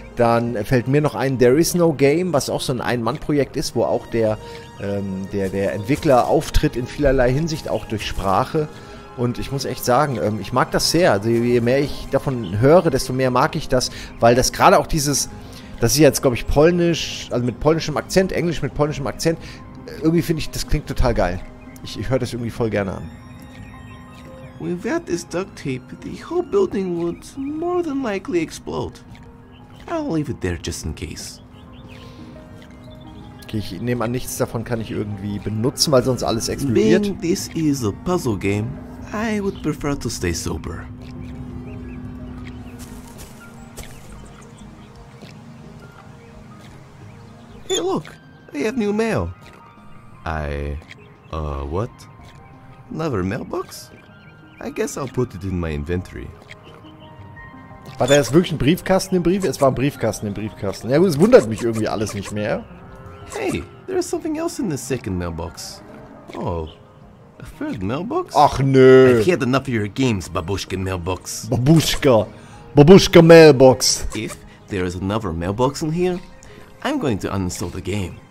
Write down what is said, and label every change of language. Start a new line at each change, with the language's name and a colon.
German: Dann fällt mir noch ein There Is No Game, was auch so ein Ein-Mann-Projekt ist, wo auch der Entwickler auftritt in vielerlei Hinsicht, auch durch Sprache. Und ich muss echt sagen, ich mag das sehr. Also je mehr ich davon höre, desto mehr mag ich das, weil das gerade auch dieses, das ist jetzt glaube ich polnisch, also mit polnischem Akzent, Englisch mit polnischem Akzent, irgendwie finde ich, das klingt total geil. Ich höre das irgendwie voll gerne an.
English: Without this duct tape, the whole building would more than likely explode. I'll leave it there just in case.
German: Okay, ich nehme an, nichts davon kann ich irgendwie benutzen, weil sonst alles explodiert.
English: Being this is a puzzle game, I would prefer to stay sober. Hey, look! I have new mail. What? Another mailbox? I guess I'll put it in my inventory.
German: War das wirklich ein Briefkasten im Brief? Es war ein Briefkasten im Briefkasten. Ja gut, es wundert mich irgendwie alles nicht mehr.
English: Hey, there is something else in the second mailbox. Oh, a third mailbox?
German: Ach nö.
English: I've had enough of your games, Babushka mailbox. Babushka. Babushka mailbox. If there is another mailbox in here, I'm going to uninstall the game.